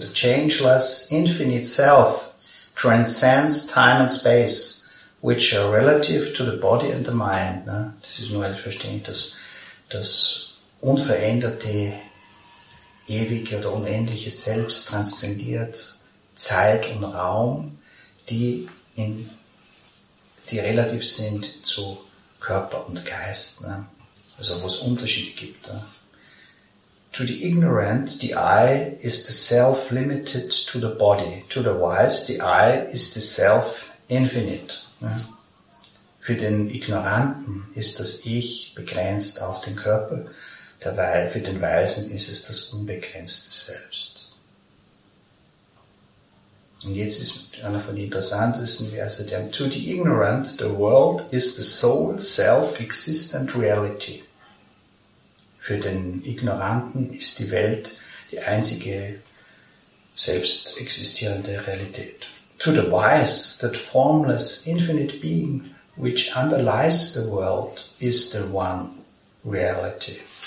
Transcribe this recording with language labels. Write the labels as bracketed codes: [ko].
[en] The changeless infinite self transcends time and space, which are relative to the body and the mind. [de] Ne? Das ist nur ein Verständnis, dass das unveränderte, ewige oder unendliche Selbst transzendiert Zeit und Raum, die relativ sind zu Körper und Geist. Ne? Also wo es Unterschiede gibt. Ne? [en] To the ignorant, the I is the self limited to the body. To the wise, the I is the self infinite. [de] Ja. Für den Ignoranten ist das Ich begrenzt auf den Körper, dabei für den Weisen ist es das unbegrenzte Selbst. Und jetzt ist einer von den interessantesten Verse, der [en] to the ignorant, the world is the sole self-existent reality. [de] Für den Ignoranten ist die Welt die einzige selbst existierende Realität. [en] To the wise, that formless, infinite being, which underlies the world, is the one reality.